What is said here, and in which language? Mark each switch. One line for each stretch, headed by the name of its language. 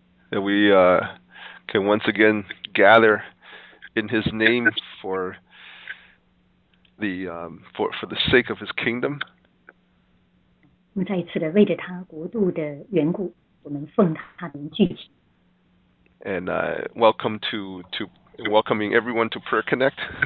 English: that we can once again gather in His name for the sake of His kingdom.
Chinese: 我们再一次的为着他国度的缘故,
English: and welcome to welcoming everyone to Prayer Connect.